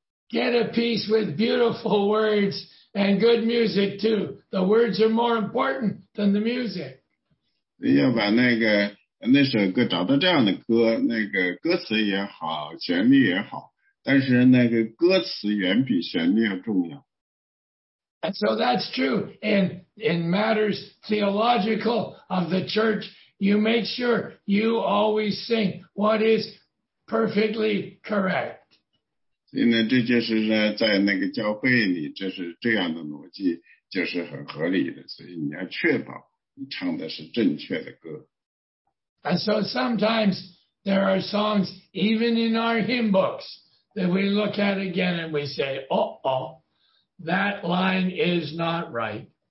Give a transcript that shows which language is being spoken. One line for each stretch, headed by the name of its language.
English: Get a piece with beautiful words and good music too. The words are more important than the music.
Chinese: 要把那首歌找到这样的歌，那个歌词也好，旋律也好。但是那个歌词远比旋律要重要。
English: And so that's true. In matters theological of the church, you make sure you always sing what is perfectly correct.
Chinese: 所以呢，这就是在那个教会里，这是这样的逻辑，就是很合理的。所以你要确保你唱的是正确的歌。
English: And so sometimes there are songs even in our hymn books. That we look at again and we say, uh-oh, that line is not right.